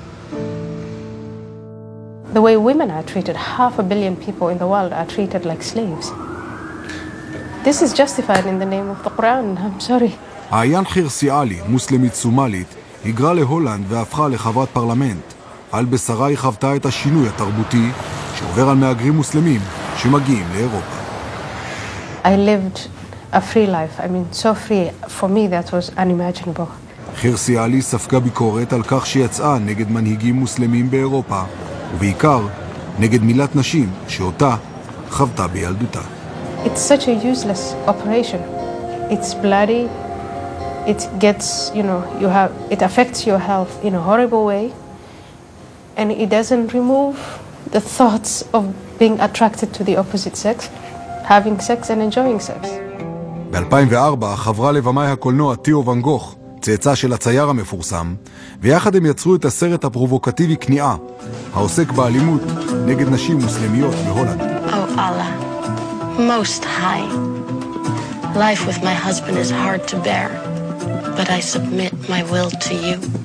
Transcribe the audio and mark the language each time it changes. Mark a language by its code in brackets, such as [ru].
[en] The way women are treated, 500 million people in the world are treated like slaves. This is justified in the name of the Quran, I'm sorry. [he] עיין חירסי עלי, מוסלמית סומלית, היגרה להולנד והפכה לחברת פרלמנט. על בשרה היא חוותה את השינוי התרבותי שעובר על מהגרים מוסלמים שמגיעים לאירופה. [en] I lived a free life. I mean, so free. For me, that was unimaginable. [he] חירסי עלי ספגה ביקורת על כך שיצאה נגד מנהיגים מוסלמים באירופה. ובעיקר נגד מילת נשים שאותה חוותה בילדותה. [en] It's such a useless operation. It's bloody. It gets, you know, you have, it affects your health in a horrible way. And it doesn't remove the thoughts of being attracted to the opposite sex, having sex and enjoying sex. [he] ב-2004 חברה לבמאי הקולנוע תיאו ואן גוך, צאצא של הצייר המפורסם, ויחד הם יצרו את הסרט הפרובוקטיבי כניעה, העוסק באלימות נגד נשים מוסלמיות בהולנד. [en] Oh Allah, most high. Life with my husband is hard to bear, but I submit my will to you.